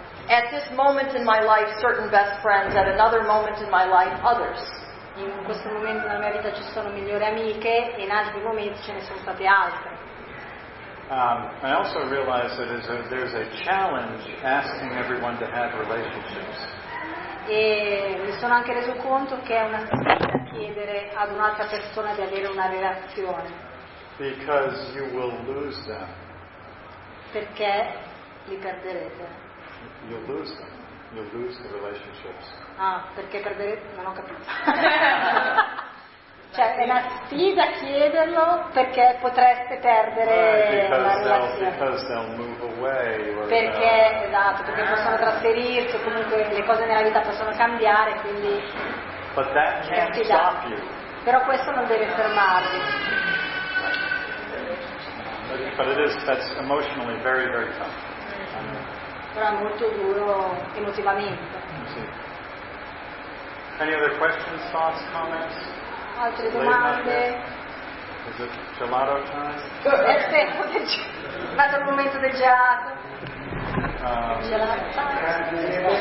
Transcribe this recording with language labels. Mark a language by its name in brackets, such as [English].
[English] At this moment in my life, certain best friends. At another moment in my life, others. [Italian] In questo momento nella mia vita ci sono migliori amiche, in altri momenti ce ne sono state altre. [English] I also realize that there's a challenge asking everyone to have relationships. [Italian] E mi sono anche reso conto che è una sfida chiedere ad un'altra persona di avere una relazione. [English] Because you will lose them. [Italian] Perché li perderete. [English] You'll lose them. you lose the relationships. [Italian] Ah, perché perdere? Non ho capito. Cioè, è una sfida chiederlo perché potreste perdere la relazione. Perché, esatto, perché possono trasferirsi, comunque le cose nella vita possono cambiare, quindi... [English] But that can't stop you. [Italian] Però questo non deve fermarvi. [English] But it is, that's emotionally very, very tough. [Italian] Però è molto duro emotivamente. [English] Any other questions, thoughts, comments? [Italian] Altre domande? [English] Is it gelato time? [Italian] È stato il momento del gelato. [English] Gelato time.